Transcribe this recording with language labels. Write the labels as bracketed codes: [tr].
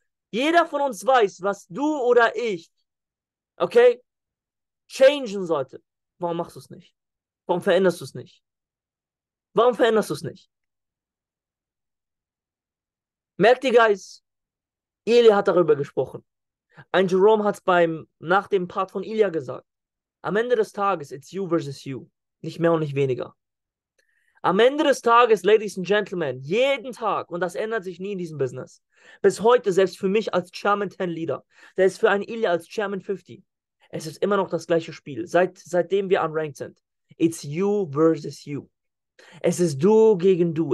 [de] Jeder von uns weiß, was du oder ich, okay, changen sollte. Warum machst du es nicht? Warum veränderst du es nicht? Warum veränderst du es nicht? Merkt ihr, Guys, Ilya hat darüber gesprochen. Ein Jerome hat es nach dem Part von Ilya gesagt. Am Ende des Tages, [en] it's you versus you. [de] Nicht mehr und nicht weniger. Am Ende des Tages, [en] Ladies and Gentlemen, [de] jeden Tag, und das ändert sich nie in diesem Business, bis heute, selbst für mich als Chairman 10 Leader, der ist für einen Ilya als Chairman 50, es ist immer noch das gleiche Spiel, seitdem wir unranked sind. [en] It's you versus you. [de] Es ist du gegen du.